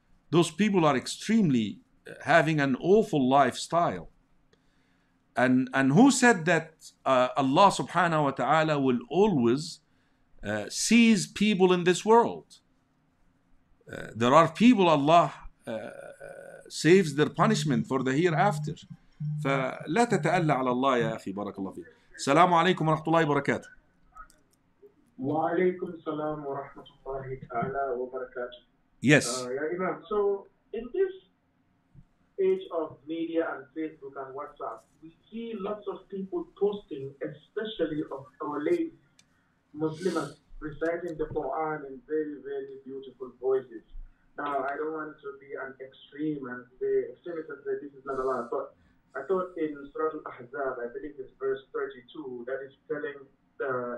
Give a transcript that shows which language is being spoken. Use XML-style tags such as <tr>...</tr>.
<en>Those people are extremely having an awful lifestyle. And who said that Allah subhanahu wa ta'ala will always seize people in this world? There are people Allah saves their punishment for the hereafter.</en> <ar>فلا تتألى على الله يا أخي بارك الله فيك. السلام عليكم ورحمة الله وبركاته. وعليكم السلام ورحمة الله تعالى وبركاته.</ar> <en>Yes.</en> <ar>يا إمام.</ar> <en>So in this age of media and Facebook and WhatsApp, we see lots of people posting, especially of our late Muslims reciting the Quran in very, very beautiful voices. Now, I don't want to be an extreme and say extremist and say this is not allowed, but I thought in Surah Al-Ahzab, I believe it's verse 32, that is telling the</en>